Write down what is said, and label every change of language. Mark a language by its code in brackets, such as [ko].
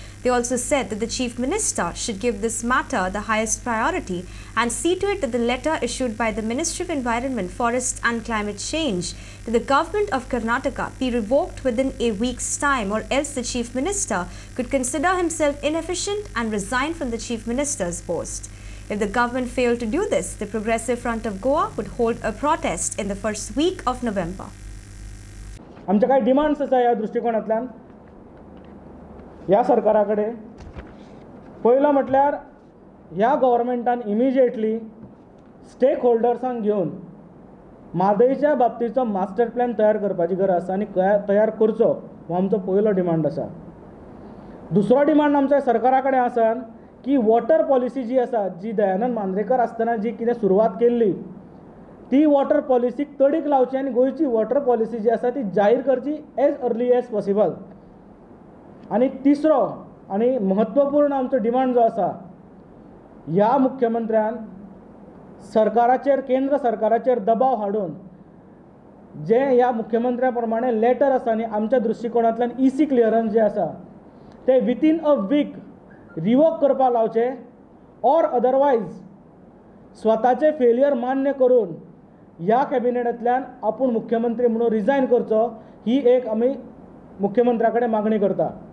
[en] They also said that the chief minister should give this matter the highest priority and see to it that the letter issued by the Ministry of Environment, Forest and Climate Change to the government of Karnataka be revoked within a week's time, or else the chief minister could consider himself inefficient and resign from the chief minister's post. If the government failed to do this, the Progressive Front of Goa would hold a protest in the first week of November. [gom] Amcha kay demands asa ya drushtikonatlan ह्या सरकारा कडेन. पयलो म्हटल्यार ह्या गव्हर्मेंटान immediately stake होल्डर्सांक घेवन म्हादयच्या बाबतीचो master plan तयार करपाची गरज आसा आनी तयार करचो, हो आमचो पयलो डिमांड आसा. दुसरो डिमांड आमच्या सरकारा कडेन आसा की वॉटर पॉलिसी जी आसा, जी दयानंद मांद्रेकर आसतना जी कितें सुरवात केल्ली, ती वॉटर पॉलिसीक तडीक लावची आनी गोंयची वॉटर पॉलिसी जी आसा ती जाहीर करची [en] As early as possible. [gom] आनी तिसरो आनी महत्वपूर्ण आमचो डिमांड जो आसा, ह्या मुख्यमंत्र्यान सरकाराचेर, केंद्र सरकाराचेर दबाव हाडून जे ह्या मुख्यमंत्र्या प्रमाणे लॅटर आसा न्ही, आमच्या दृश्टिकोनांतल्यान ई सी क्लियरन्स जे आसा ते [en] within a week [gom] रिवोक करपाक लावचे, [en] or otherwise [gom] स्वताचे फेलियर मान्य करून ह्या कॅबिनेटांतल्यान आपूण मुख्यमंत्री म्हणून रिजायन करचो. ही एक आमी मुख्यमंत्र्या कडेन मागणी करता.